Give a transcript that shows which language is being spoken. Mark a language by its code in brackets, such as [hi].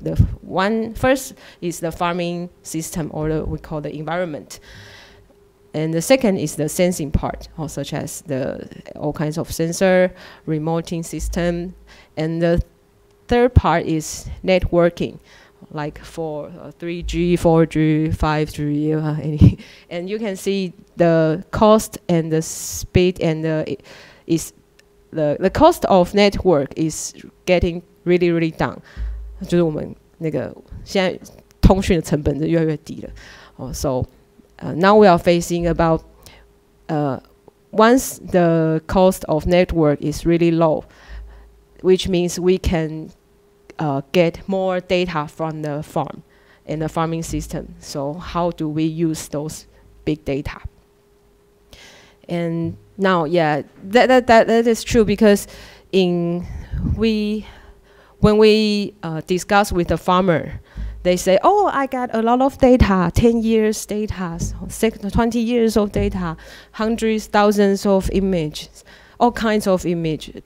[en] The one first is the farming system, or we call the environment, and the second is the sensing part, such as the all kinds of sensor, remoting system, and the third part is networking, like for 3G, 4G, 5G, and you can see the cost and the speed and the cost of network is getting really, really down. [zh] 就是我们那个现在通讯的成本是越来越低了。 [en] So now we are facing about once the cost of network is really low, which means we can get more data from the farm and the farming system. So how do we use those big data? And now, yeah, that is true, because when we discuss with the farmer, they say, oh, I got a lot of data, 10 years data, 20 years of data, hundreds, thousands of images, all kinds of images.